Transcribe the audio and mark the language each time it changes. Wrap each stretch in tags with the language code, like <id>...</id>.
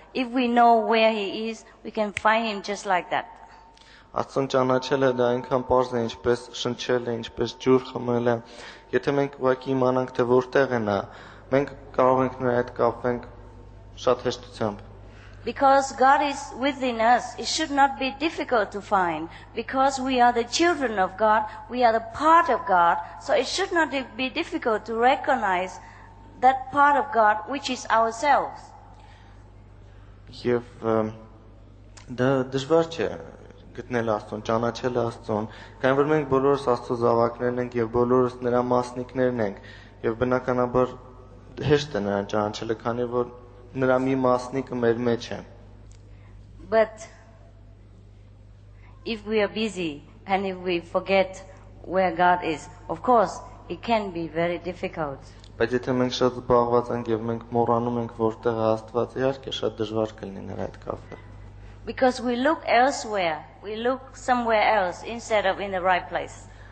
<en>If we know where He is, we can find Him just like that.</en> <hy>Աստծուն ճանաչելը դա այնքան պարզ է, ինչպես շնչելը, ինչպես ջուր խմելը. Եթե մենք ուղղակի իմանանք, թե որտեղ է նա, մենք կարող ենք նրա հետ կապվենք շատ հեշտությամբ.</hy> <en>Because God is within us, it should not be difficult to find. Because we are the children of God, we are the part of God, so it should not be difficult to recognize that part of God which is ourselves.</en> <hy>Եվ դա դժվար չէ գտնել Աստծուն, ճանաչել Աստծուն, քանի որ մենք բոլորս Աստծո զավակներն ենք եւ բոլորս նրա մասնիկներն ենք եւ բնականաբար հեշտ է նրան ճանաչելը, քանի որ նրա մի մասնիկը մեր մեջ է։</hy> <en>But if we are busy and if we forget where God is, of course it can be very difficult.</en> <hy>Բայց եթե մենք շատ զբաղված ենք եւ մենք մոռանում ենք որտեղ է Աստված, իհարկե շատ դժվար կլինի նրա հետ կապը։</hy> <en>Because we look elsewhere, we look somewhere else instead of in the right place.</en>